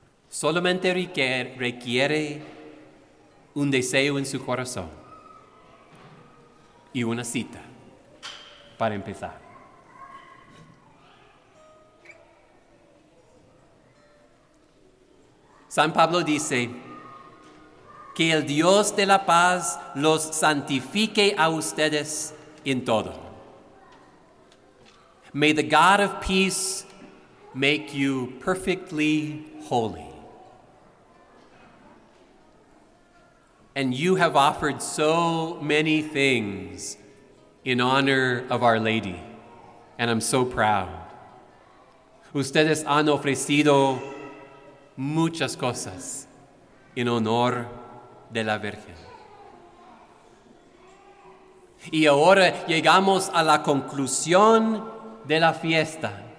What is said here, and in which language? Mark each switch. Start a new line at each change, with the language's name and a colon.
Spanish: Solamente requiere un deseo en su corazón y una cita para empezar. San Pablo dice, que el Dios de la paz los santifique a ustedes en todo.
English: May the God of peace make you perfectly holy. And you have offered so many things in honor of Our Lady, and I'm so proud.
Spanish: Ustedes han ofrecido muchas cosas en honor de la Virgen. Y ahora llegamos a la conclusión de la fiesta.